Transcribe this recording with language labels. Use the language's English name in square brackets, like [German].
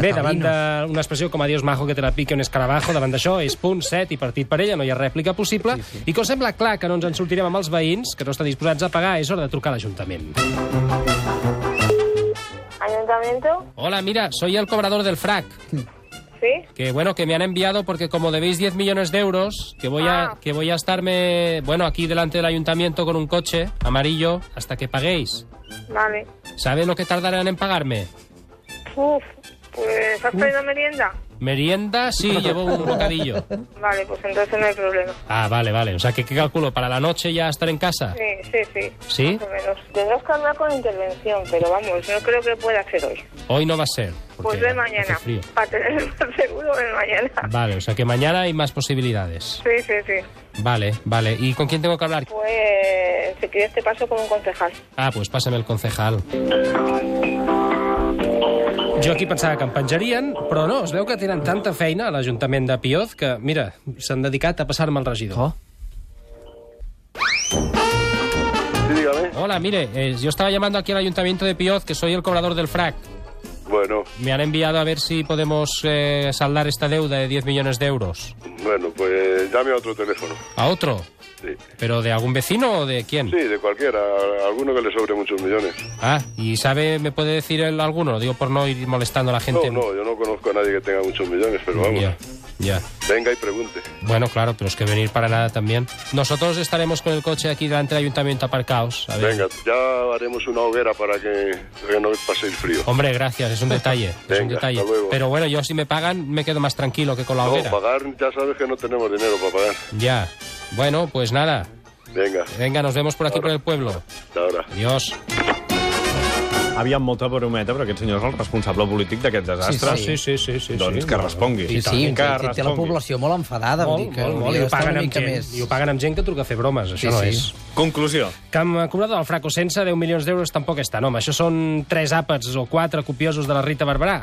[Catalan] Bé, davant d'una expressió com [Spanish] adiós, majo, que te la pique un escarabajo, [Catalan] davant d'això és punt, set i partit per ella, no hi ha rèplica possible. Sí. I com sembla clar que no ens en sortirem amb els veïns, que no estan disposats a pagar, és hora de trucar a l'Ajuntament. [Spanish] ¿Ayuntamiento? Hola, mira, soy el cobrador del frac. ¿Sí? Que bueno, que me han enviado porque como debéis 10 millones de euros, que voy a estarme, bueno, aquí delante del ayuntamiento con un coche amarillo hasta que paguéis. Vale. ¿Saben lo que tardarán en pagarme? Uf, pues ¿has pedido merienda? ¿Merienda? Sí, llevo un bocadillo. Vale, pues entonces no hay problema. Ah, vale. O sea, ¿qué calculo? ¿Para la noche ya estar en casa? Sí. ¿Sí? Más o menos. Tendrás que hablar con intervención, pero vamos, no creo que pueda ser hoy. Hoy no va a ser. Pues ve mañana. Hace frío. Para tener más seguro, ve mañana. Vale, o sea que mañana hay más posibilidades. Sí. Vale. ¿Y con quién tengo que hablar? Pues, si quieres, te paso con un concejal. Ah, pues pásame el concejal. [Catalan] Jo aquí pensava que em penjarien, però no, es veu que tenen tanta feina a l'Ajuntament de Pioz que, mira, s'han dedicat a passar-me el regidor. [Spanish] Oh. Sí, hola, mire, yo estaba llamando aquí al Ayuntamiento de Pioz, que soy el cobrador del frac. Bueno. Me han enviado a ver si podemos saldar esta deuda de 10 millones de euros. Bueno, pues dame a otro teléfono. ¿A otro? Sí. ¿Pero de algún vecino o de quién? Sí, de cualquiera. Alguno que le sobre muchos millones. Ah, ¿y sabe, me puede decir él alguno? Digo, por no ir molestando a la gente. No, yo no conozco a nadie que tenga muchos millones, pero vamos. Ya. Venga y pregunte. Bueno, claro, pero es que venir para nada también. Nosotros estaremos con el coche aquí delante del ayuntamiento aparcados. A ver. Venga, ya haremos una hoguera para que no pase el frío. Hombre, gracias, es un detalle. Venga, es un detalle. Hasta luego. Pero bueno, yo si me pagan me quedo más tranquilo que con la hoguera. No, pagar, ya sabes que no tenemos dinero para pagar. Ya. Bueno, pues nada. Venga. Venga, nos vemos por aquí por el pueblo. Hasta ahora. Adiós. [Catalan] Aviam, molta brometa, però aquest senyor és el responsable polític d'aquest desastre. Sí, sí, sí. Sí, sí, doncs sí, que respongui. Sí, sí, que té respongui. La població molt enfadada. Molt, dir que molt. I ho paguen amb gent que truca a fer bromes, això sí, no sí. És. Conclusió. Que amb cobrador del Fraco sense 10 milions d'euros tampoc és tan home. Això són 3 àpats o 4 copiosos de la Rita Barberà.